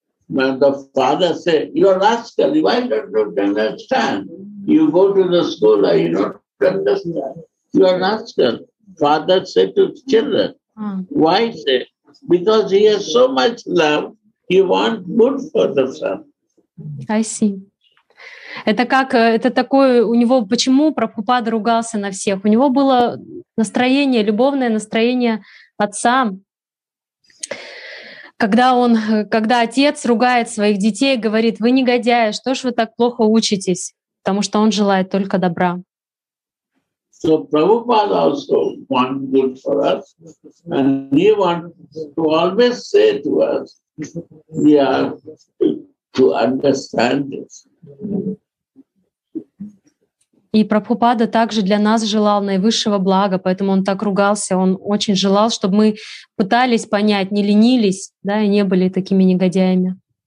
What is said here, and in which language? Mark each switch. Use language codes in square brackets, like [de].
[en] When the father said, you're a rascal, why don't you understand? You go to the school and you don't understand. You're a rascal. Father said to children, why say? Because he has so much love, he wants good for the son. I see. [ru] Это как, это такое, у него, почему Прабхупада ругался на всех? У него было настроение, любовное настроение отца. Когда отец ругает своих детей, говорит, вы негодяи, что ж вы так плохо учитесь? Потому что он желает только добра. [en] So Prabhupada also wants good for us, and he wants to always say to us, we have to understand this. [ru] И Прабхупада также для нас желал наивысшего блага, поэтому он так ругался, он очень желал, чтобы мы пытались понять, не ленились, да, и не были такими негодяями.